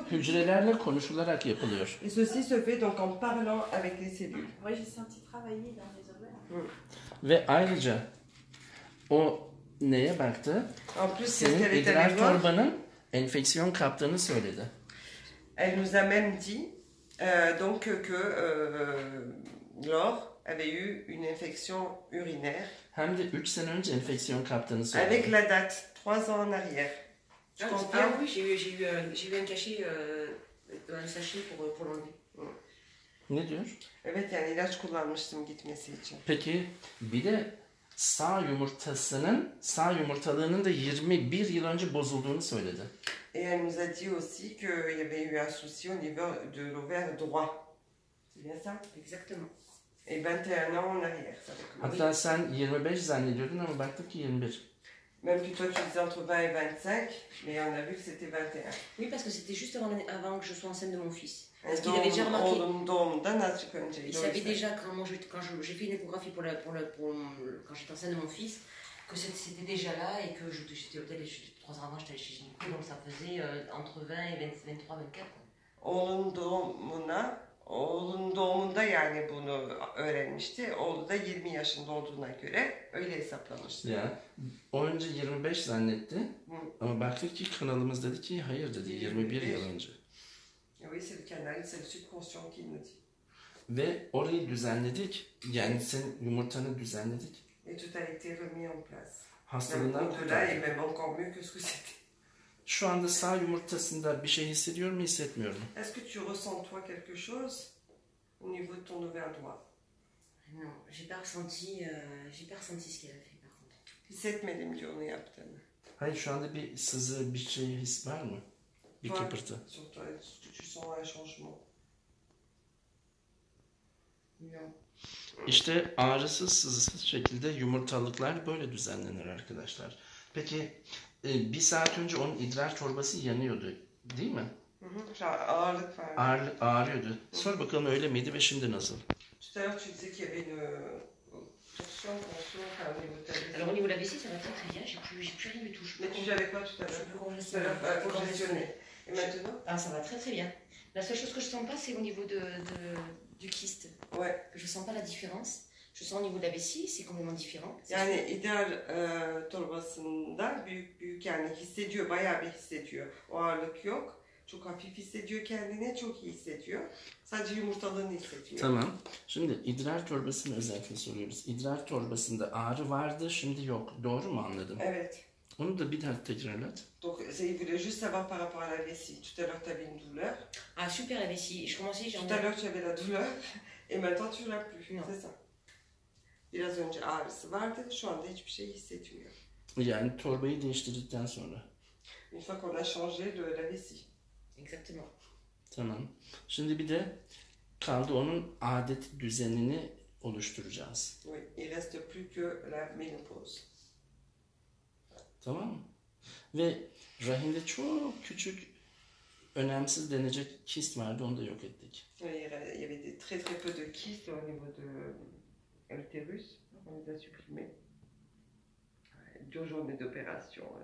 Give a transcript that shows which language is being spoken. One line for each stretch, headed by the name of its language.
Turkish: Hücrelerle konuşularak yapılıyor.
French: Et ceci se fait donc en parlant avec les cellules. Moi, j'ai senti travailler dans les ovaires.
Turkish: Ve ayrıca o neye baktı?
French: En plus,
Turkish: senin idrar torbanın enfeksiyon kaptığını söyledi.
French: Elle nous a même dit donc que Laure avait eu une infection urinaire.
Turkish: Hem de 3 sene önce enfeksiyon kaptığını söyledi.
French: Avec la date, 3 ans en arrière. Tu comprends? Ah oui, j'ai eu un cachet, un sachet pour l'enlever.
Turkish: Ne diyor? Evet, yani ilaç kullanmıştım gitmesi için. Peki, bir de sağ yumurtasının, sağ yumurtalığının da 21 yıl önce bozulduğunu söyledi.
French: Et elle nous a dit aussi qu'il y avait eu un souci au niveau de l'ovaire droit. C'est bien ça? Exactement. Et 21 ans en arrière.
Turkish: Hatta sen 25 zannediyordun ama baktık ki 21.
French: Même plutôt que tu disais entre 20 et 25, mais on a vu que c'était 21. Oui, parce que c'était juste avant que je sois enceinte de mon fils. Parce qu'il avait déjà remarqué...
Turkish: Oğlumdan azıcık önce.
French: Il savait déjà quand j'ai fait une échographie quand j'étais enceinte de mon fils, que c'était déjà là et que j'étais au tel et 3 ans avant, j'étais chez Gynéco, donc ça faisait entre 20 et 23, 24.
Turkish: Oğlun doğumunda yani bunu öğrenmişti. Oğlu da 20 yaşında olduğuna göre öyle hesaplamıştı. Ya, o önce 25 zannetti. Hı. Ama baktık ki kanalımız dedi ki hayır dedi 21 yıl önce.
French: Oui, c'est le canal, c'est le subconscient qui nous dit.
Turkish: Ve orayı düzenledik. Yani sen yumurtanı düzenledik.
French: Et tout a été remis en place.
Turkish: Hastalığından kurtardık. Şu anda sağ yumurtasında bir şey hissediyor mu, hissetmiyor mu?
French: Est-ce que tu ressens toi quelque chose au niveau de ton ovaire droit? Non, j'ai pas ressenti ce qu'elle a fait par contre.
Turkish: Hissetmedim diyor onu yaptığını. Hayır, şu anda bir sızı, bir şey his var mı? Bir kıpırtı.
French: Tu sens un changement. Non.
Turkish: İşte ağrısız, sızısız şekilde yumurtalıklar böyle düzenlenir arkadaşlar. Peki bir saat önce onun idrar çorbası yanıyordu, değil mi? Ağırlık vardı. Ağrıyordu. Sor bakalım öyle miydi ve şimdi nasıl?
French: Tout à l'heure tu disais qu'il y avait une tension, tension, enfin au niveau de la vessie. Alors au niveau de la vessie, ça va très très bien, j'ai plus rien du tout. Mais tu avais quoi tout à l'heure? Congestionné. Et maintenant? Ah, ça va très très bien. La seule chose que je sens pas, c'est au niveau du kyste. Ouais. Je sens pas la différence. Je sens au niveau de la vessie, c'est complètement différent.
Turkish: Yani idrar torbasında büyük büyük yani hissediyor, bayağı bir hissediyor. O ağırlık yok. Çok hafif hissediyor kendini, çok iyi hissediyor. Sadece yumurtalığını hissediyor. Tamam. Şimdi idrar torbasını özellikle soruyoruz. İdrar torbasında ağrı vardı, şimdi yok. Doğru mu anladım? Evet. Onu da bir daha tekrarlat.
French: Donc, c'est vrai, juste avant par rapport à la vessie. Tout à l'heure, t'avais une douleur. Ah, super la vessie. Je commençais, j'en ai... Tout à l'heure, tu avais la douleur. Et maintenant, tu l'as plus. Non. C'est ça.
Turkish: Biraz önce ağrısı vardı, şu anda hiçbir şey hissetmiyor. Yani torbayı değiştirdikten sonra.
French: Une fois qu'on a changé de la vessie. Exactement.
Turkish: Tamam. Şimdi bir de kaldı onun adet düzenini oluşturacağız.
French: Oui, il reste plus que la ménopause.
Turkish: Tamam. Ve rahimde çok küçük, önemsiz denecek kist vardı, onu da yok ettik.
French: Oui, il y avait de très très peu de kist au niveau de... Ultérus, on les a supprimés. Deux journées d'opération.